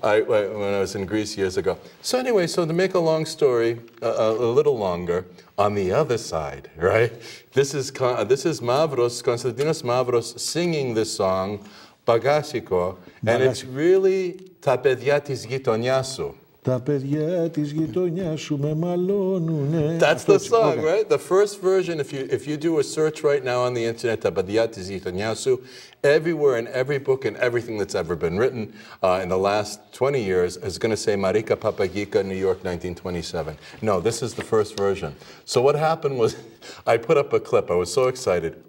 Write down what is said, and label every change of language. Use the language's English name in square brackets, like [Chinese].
[English] When I was in Greece years ago. So anyway, so to make a long story, a little longer, on the other side, right? This is Mavros, Konstantinos Mavros, singing this song, Bagasiko. And it's really Ta paidia tis gitoniasu. [Greek] Τα παιδιά της γειτονιάς σου με μαλώνουνε. [English] That's the song, right? The first version, if you do a search right now on the internet, τα παιδιά της γειτονιάς σου, everywhere in every book and everything that's ever been written in the last 20 years is going to say Marika Papagika, New York, 1927. No, this is the first version. So what happened was I put up a clip. I was so excited.